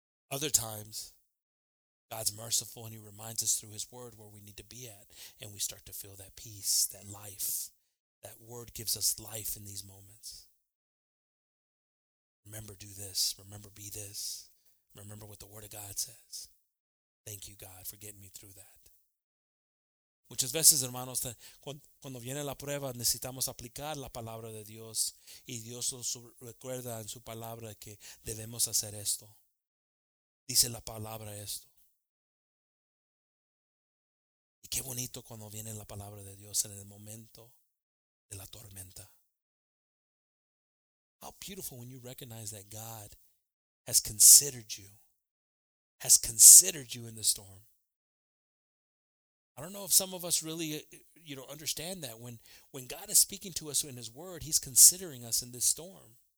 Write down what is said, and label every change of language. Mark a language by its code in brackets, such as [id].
[en] Other times, God's merciful and he reminds us through his word where we need to be at. And we start to feel that peace, that life. That word gives us life in these moments. Remember, do this. Remember, be this. Remember what the word of God says. Thank you, God, for getting me through that. [es] Muchas veces, hermanos, cuando viene la prueba, necesitamos aplicar la palabra de Dios. Y Dios nos recuerda en su palabra que debemos hacer esto. Dice la palabra esto. Y qué bonito cuando viene la palabra de Dios en el momento de la tormenta. [en] How beautiful when you recognize that God has considered you in the storm. I don't know if some of us really, you know, understand that when God is speaking to us in his word, he's considering us in this storm.